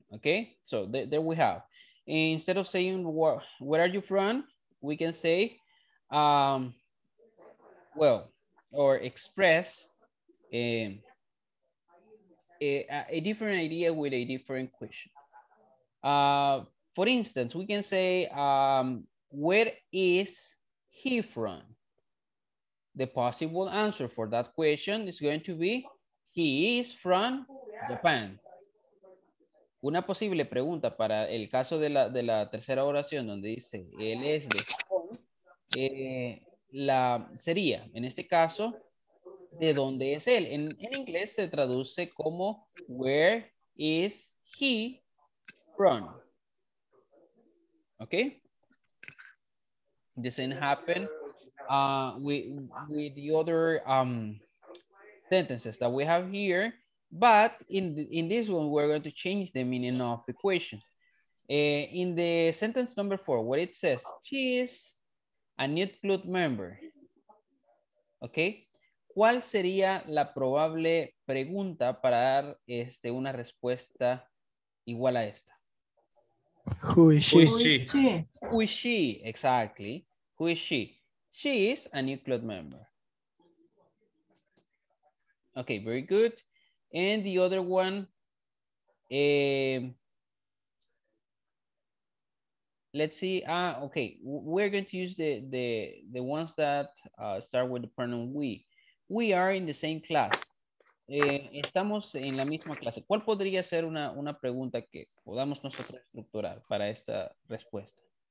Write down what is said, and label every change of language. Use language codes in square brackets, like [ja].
[en] Okay, so there we have. Instead of saying where are you from, we can say express a different idea with a different question. For instance, we can say, where is he from? The possible answer for that question is going to be, he is from Japan. [es] Una posible pregunta para el caso de la tercera oración donde dice, él es de Japón, sería, en este caso, ¿de dónde es él? En inglés se traduce como [en] where is he from? [es] Okay. [en] This didn't happen with the other sentences that we have here, but in this one we're going to change the meaning of the question. In the sentence number 4, what it says, she is a new club member. Okay. [es] ¿Cuál sería la probable pregunta para dar una respuesta igual a esta? [en] Who is she? Who is she? Who is she? Exactly. Who is she? She is a new club member. Okay, very good. And the other one. Let's see. Okay, we're going to use the ones that start with the pronoun we. We are in the same class. [es] Estamos en la misma clase. ¿Cuál podría ser una pregunta que podamos nosotros estructurar para esta respuesta?